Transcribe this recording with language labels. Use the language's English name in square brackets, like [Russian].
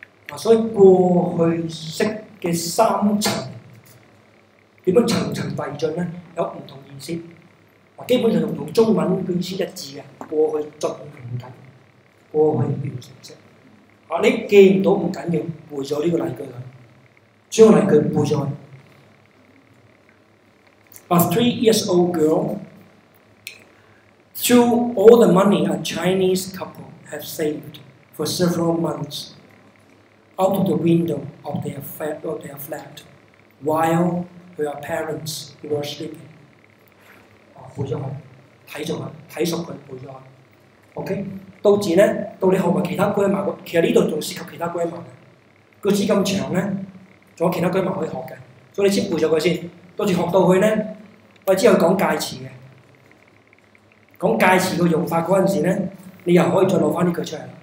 [Cantonese] 啊，所以過去式嘅三層點樣層層遞進咧，有唔同意思。啊，基本上同中文嘅意思一致嘅，過去進行緊，過去完成式。啊！你記唔到唔緊要，背咗呢個例句啦。將例句背咗。 [English] A 3-year-old girl threw all the money a Chinese couple had saved for several months out of the window of their flat while her parents were sleeping. [Cantonese] 啊，背咗佢，睇咗佢，睇熟佢，背咗佢。 OK。 到字咧，到你後面其他 grammar， 其實呢度仲涉及其他 grammar 嘅。句子咁長咧，仲有其他 grammar 可以學嘅，所以你先背咗佢先。到時學到佢咧，我之後講介詞嘅，講介詞嘅用法嗰陣時咧，你又可以再攞翻呢句出嚟。